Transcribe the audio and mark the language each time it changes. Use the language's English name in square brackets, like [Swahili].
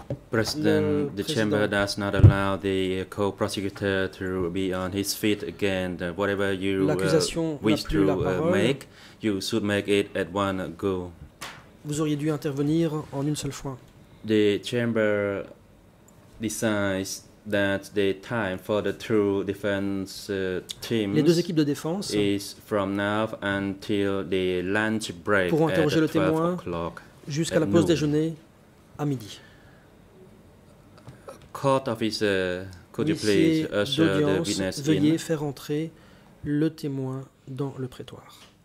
[English] President, the chamber does not allow the co-prosecutor to be on his feet again. Whatever you wish to make, you should make it at one go. [French] Vous auriez dû intervenir en une seule fois. [English] The chamber decides that the time for the two defense teams [French] les deux équipes de défense [English] is from now until the lunch break [French] pour interroger le témoin jusqu'à la pause [English] noon. [French] Déjeuner à midi. [English] court officer, could you please usher the witness in? [French] Veuillez faire entrer le témoin dans le prétoire.